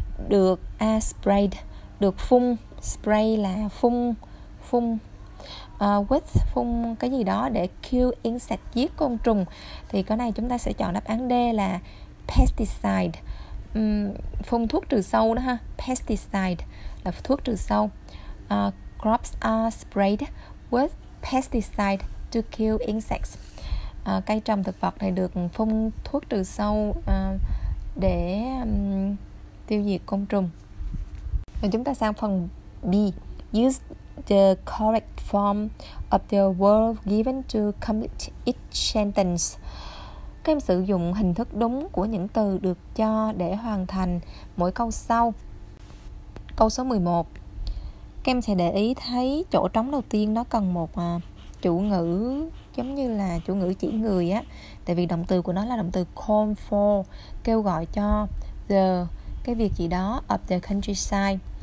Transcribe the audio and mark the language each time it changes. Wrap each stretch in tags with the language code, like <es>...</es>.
<vi>Được sprayed, được phun. Spray là phun, phun. With phun cái gì đó để kill insect, giết côn trùng. Thì cái này chúng ta sẽ chọn đáp án D là pesticide. Phun thuốc trừ sâu đó ha. Pesticide là thuốc trừ sâu.</vi> <en>Crops are sprayed with pesticide to kill insects.</en> <vi>Cây trồng thực vật này được phun thuốc trừ sâu để tiêu diệt côn trùng. Rồi chúng ta sang phần B.</vi> <en>Use the correct form of the word given to complete each sentence.</en> <vi>Các em sử dụng hình thức đúng của những từ được cho để hoàn thành mỗi câu sau. Câu số 11. Các em sẽ để ý thấy chỗ trống đầu tiên nó cần một chủ ngữ giống như là chủ ngữ chỉ người á, tại vì động từ của nó là động từ call for, kêu gọi cho the cái việc gì đó</vi> <en>of the countryside.</en>